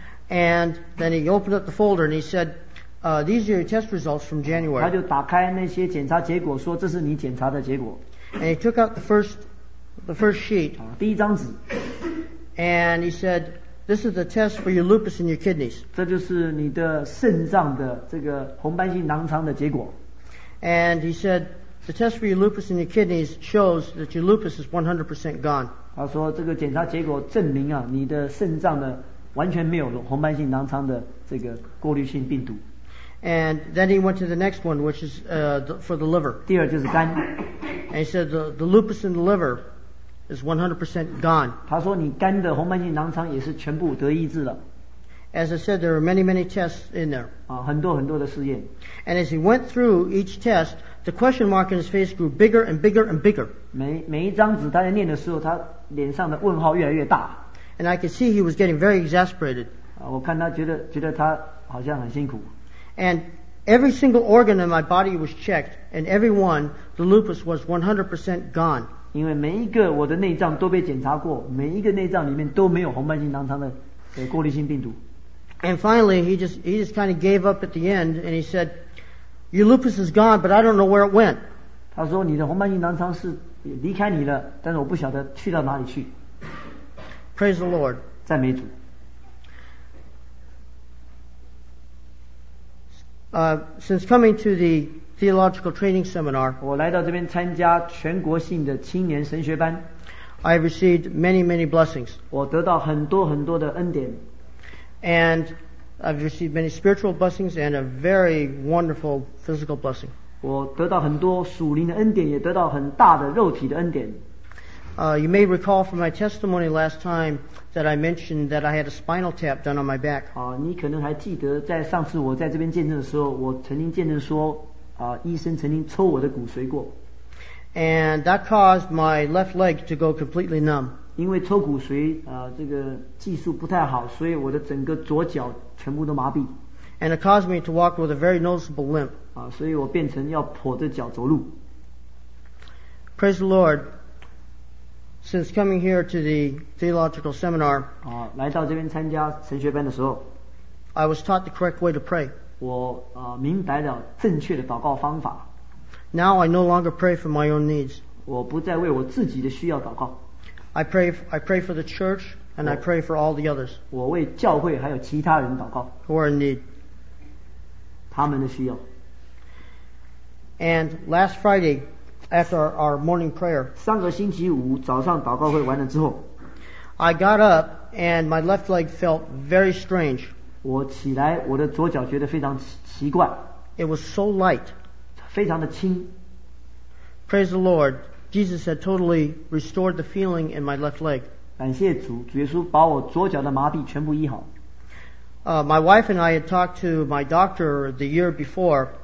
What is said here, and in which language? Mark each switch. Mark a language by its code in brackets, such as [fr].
[en] And then he opened up the folder and he said, "These are your test results from January." [zh] 他就打开那些检查结果，说这是你检查的结果。 [en] And he took out the first sheet. [zh] 第一张纸。 [en] And he said, "This is the test for your lupus and your kidneys." [zh] 这就是你的肾脏的这个红斑性囊疮的结果。 [en] And he said.The test for your lupus and your kidneys shows that your lupus is 100% gone. [zh] 他说这个检查结果证明啊，你的肾脏呢完全没有红斑性狼疮的这个过滤性病毒。 [en] And then he went to the next one, which is for the liver. [zh] 第二就是肝。 [en] And he said the lupus in the liver is 100% gone. [zh] 他说你肝的红斑性狼疮也是全部得医治了。 [en] As I said, there are many, many tests in there. [zh] 啊，很多很多的试验。 [en] And as he went through each test, the question mark in his face grew bigger and bigger and bigger. [zh] 每一张纸他在念的时候，他脸上的问号越来越大。 [en] And I could see he was getting very exasperated. [zh] 啊，我看他觉得他好像很辛苦。 [en] And every single organ in my body was checked, and every one, the lupus was 100% gone. [zh] 因为每一个我的内脏都被检查过，每一个内脏里面都没有红斑性狼疮的过滤性病毒。 [en] And finally, he just kind of gave up at the end, and he said, "Your lupus is gone, but I don't know where it went." [zh] 他说你的红斑性狼疮是离开你了，但是我不晓得去到哪里去。 [en] Praise the Lord. [zh] 赞美主。 [en] Since coming to the theological training seminar, [zh] 我来到这边参加全国性的青年神学班。 [en] I received many, many blessings. [zh] 我得到很多很多的恩典。 [en] And I've received many spiritual blessings and a very wonderful physical blessing. [zh] 我得到很多属灵的恩典，也得到很大的肉体的恩典。 [en] You may recall from my testimony last time that I mentioned that I had a spinal tap done on my back. [zh] 你可能还记得在上次我在这边见证的时候，我曾经见证说，医生曾经抽我的骨髓过。 [en] And that caused my left leg to go completely numb. [zh] 因为抽骨髓，这个技术不太好，所以我的整个左脚全部都麻痹。 [en] And it caused me to walk with a very noticeable limp. [zh] 所以我变成要跛着脚走路。 [en] Praise the Lord. Since coming here to the theological seminar, [zh] 来到这边参加神学班的时候 [en] I was taught the correct way to pray. [zh] 我明白了正确的祷告方法 [en] Now I no longer pray for my own needs. [zh] 我不再为我自己的需要祷告 [en] I pray for the church and I pray for all the others. [zh] 我为教会还有其他人祷告 [en] Who are in need. [zh] 他们的需要 [en] And last Friday,After our morning prayer, [zh] 上个星期五早上祷告会完了之后 [en] I got up and my left leg felt very strange. [zh] 我起来，我的左脚觉得非常奇怪。 [en] It was so light. [zh] 非常的轻。 [en] Praise the Lord, Jesus had totally restored the feeling in my left leg. [zh] 感谢主，主耶稣把我左脚的麻痹全部医好。 [en] My wife and I had talked to my doctor the year before.